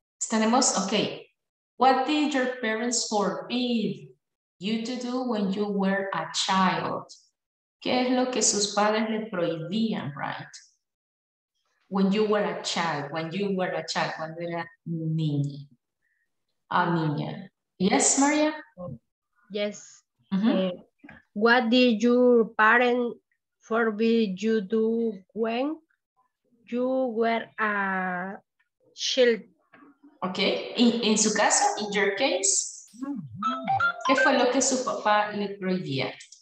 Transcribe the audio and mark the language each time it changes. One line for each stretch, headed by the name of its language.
English: Tenemos, okay. What did your parents forbid you to do when you were a child?
Spanish: ¿Qué es lo que sus padres le prohibían, right?
English: When you were a child,
Spanish: cuando era niña.
English: Yes, Maria? Yes. Mm-hmm. What did your parent forbid you do when you were a child? Okay,
Spanish: en su caso,
English: in your case, mm-hmm.
Spanish: ¿Qué fue lo que su papá le prohibía?